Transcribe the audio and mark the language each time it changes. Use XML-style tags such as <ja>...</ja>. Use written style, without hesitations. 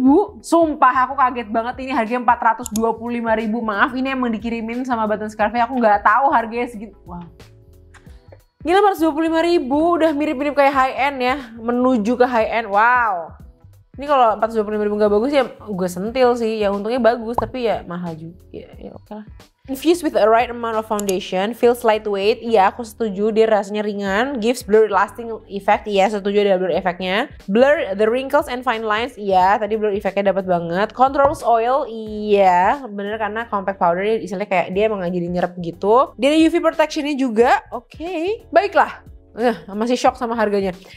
<id>425.000. Sumpah aku kaget banget, ini harganya 425.000. Maaf, ini emang dikirimin sama button scarves-nya. Aku enggak tahu harganya segitu. Wah. Gila, 425.000 udah mirip-mirip kayak high end ya, menuju ke high end. Wow. Ini kalau 425.000 gak bagus ya gue sentil sih. Ya untungnya bagus tapi ya mahal juga. Ya oke lah.</id> <en>Infused with the right amount of foundation, feels lightweight.</en> <id>Iya, aku setuju, dia rasanya ringan.</id> <en>Gives blur lasting effect.</en> <id>Iya, setuju ada blur efeknya.</id> <en>Blur the wrinkles and fine lines.</en> <id>Iya, tadi blur efeknya dapat banget.</id> <en>Controls oil.</en> <id>Iya, bener karena compact powder istilahnya kayak dia emang jadi nyerap gitu. Dia ada UV protection-nya juga. Oke. Baiklah. Masih shock sama harganya.</id>